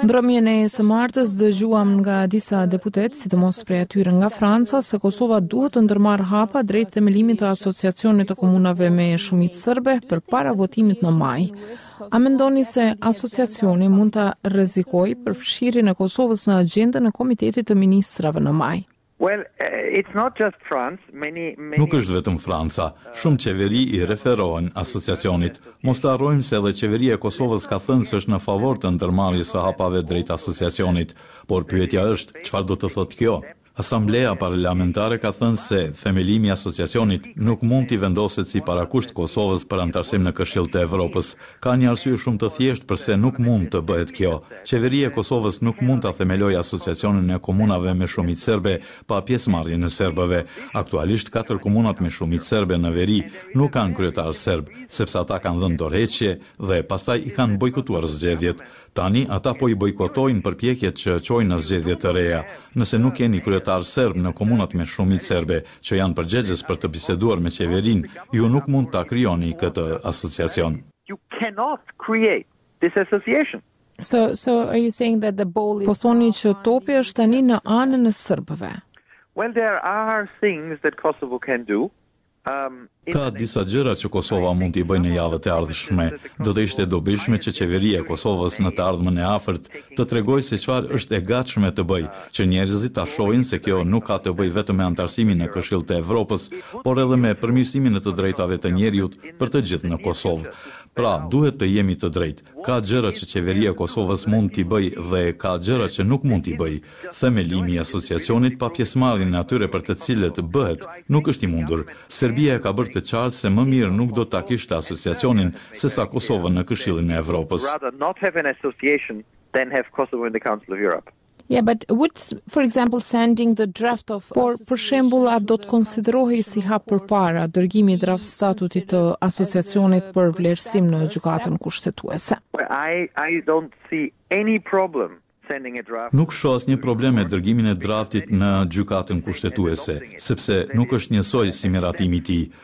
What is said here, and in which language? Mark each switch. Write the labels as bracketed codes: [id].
[sq] Mbrëmjen e së martës dëgjuam nga disa deputetë, sidomos prej atyre nga Franca, se Kosova duhet të ndërmarr hapa drejt themelimit të Asociacionit të Komunave me Shumicë Serbe për para votimit në maj. A mendoni se asociacioni mund ta rrezikojë përfshirjen e Kosovës në agjendën e Komitetit të Ministrave në maj? [en] Well, it's not just France, many [sq] Nuk është vetëm Franca. Shumë qeveri i referohen asociacionit. Mos të harrojmë se edhe qeveria e Kosovës ka thënë se është në favor të ndërmarrjes së hapave drejt asociacionit, por pyetja është, çfarë do të thotë kjo? Asambleja parlamentare ka thënë se themelimi i asociacionit nuk mund t'i vendoset si parakusht Kosovës për antarësim në Këshillin e Evropës. Ka një arsye shumë të thjeshtë përse nuk mund të bëhet kjo. Qeveria e Kosovës nuk mund ta themelojë asociacionin e komunave me shumicë serbe pa pjesëmarrjen e serbëve. Aktualisht katër komunat me shumicë serbe në veri nuk kanë kryetar serb, sepse ata kanë dhënë dorëheqje dhe pastaj i kanë bojkotuar zgjedhjet. Tani ata po i bojkotojnë përpjekjet që çojnë në zgjedhje të reja. Nëse nuk keni kryetar serb në komunat me shumicë serbe që janë përgjegjës për të biseduar me qeverinë, ju nuk mund ta krijoni këtë asociacion. [en] You cannot create this association. So are you saying that the ball is... [sq] Po thoni që topi është tani në anën e serbëve. [en] Well, there are things that Kosovo can do. [sq] Ka disa gjëra që Kosova mund t'i bëjë në javët e ardhshme. Do të ishte dobishme që qeveria e Kosovës në të ardhmen e afërt të tregojë se çfarë është e gatshme të bëjë, që njerëzit ta shohin se kjo nuk ka të bëjë vetëm me antarësimin në Këshillin e Evropës, por edhe me përmirësimin e të drejtave të njerëzit për të gjithë në Kosovë. Pra, duhet të jemi të drejtë. Ka gjëra që qeveria e Kosovës mund t'i bëjë dhe ka gjëra që nuk mund t'i bëjë. Themelimi i asociacionit pa pjesëmarrjen e atyre për të cilët bëhet nuk është i mundur. Serbia ka bërë të qartë se më mirë nuk do ta kishte asociacionin sesa Kosovën në Këshillin e Evropës. [en] Yeah, but what's, for example, sending the draft of... [sq] Por, për shembull, a do të konsiderohej si hap përpara dërgimi i draft statutit të asociacionit për vlerësim në gjykatën kushtetuese? [en] I don't see any problem. [sq] Nuk shoh asnjë problem me dërgimin e draftit në gjykatën kushtetuese, sepse nuk është njësoj si miratimi i tij.